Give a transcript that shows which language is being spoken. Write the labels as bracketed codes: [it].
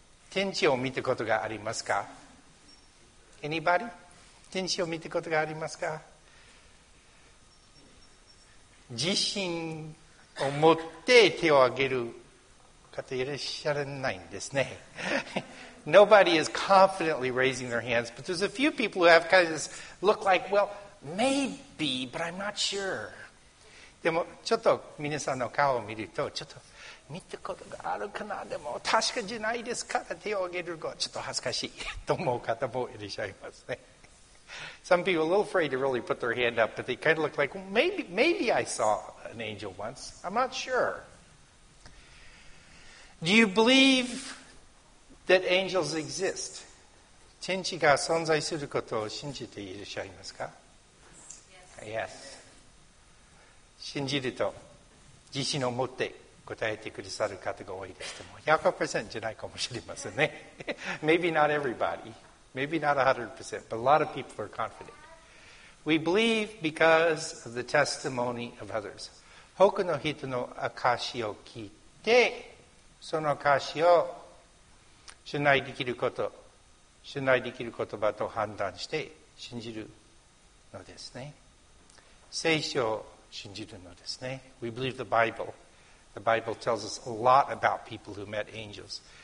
[ja] 天使を見たことがありますか? [en] Anybody? [ja] 天使を見たことがありますか? 自信を持って手を挙げる方いらっしゃらないんですね。 [en] Nobody is confidently raising their hands, but there's a few people who have kind of this look like, well, maybe, but I'm not sure. [ja] でもちょっと皆さんの顔を見るとちょっと見たことがあるかな、でも確かじゃないですか、手を挙げるのちょっと恥ずかしいと思う方もいらっしゃいますね。 [en] Some people are a little afraid to really put their hand up, but they kind of look like, well, maybe I saw an angel once. I'm not sure. Do you believe that angels exist? [ja] 天使が存在することを信じていらっしゃいますか? [en] Yes. [ja] 信じると自信を持って答えてくださる方が多いですけども、100% じゃないかもしれませんね。 [en] Maybe not everybody. Maybe not 100%, but a lot of people are confident. We believe because of the testimony of others. [ja] 他の人の証しを聞いて、その証しを信頼できること、信頼できる言葉と判断して信じるのですね。聖書を信じるのですね。 [en] We believe the Bible. The Bible tells us a lot about people who met angels.